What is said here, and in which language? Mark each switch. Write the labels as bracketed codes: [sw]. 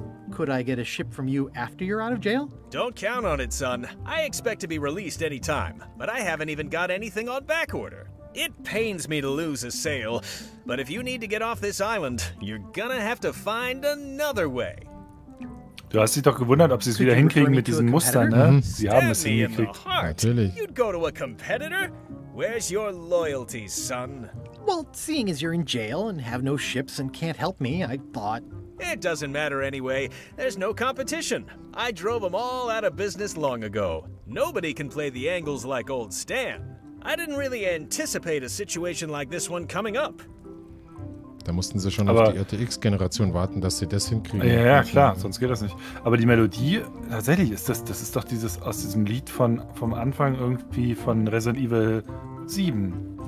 [en] Could I get a ship from you after you're out of jail? Don't count on it, son. I expect to be released any time, but I haven't even got anything on back order. It pains me to lose a sail, but if you need to get off this island, you're gonna have to find another way. [de] Du hast dich doch gewundert, ob sie es wieder hinkriegen mit diesem Muster, ne? Sie haben es hingekriegt. Natürlich. [en] You'd go to a competitor? Where's your loyalty, son? Well, seeing as you're in jail and have no ships and can't help me, I thought... It doesn't matter anyway. There's no competition. I drove them all out of business long ago. Nobody can play the angles like old Stan. I didn't really anticipate a situation like this one coming up. [de] Da mussten sie schon auf die RTX-Generation warten, dass sie das hinkriegen. Ja, ja, klar, sonst geht das nicht. Aber die Melodie, tatsächlich, ist das ist doch dieses aus diesem Lied von vom Anfang irgendwie von Resident Evil 7.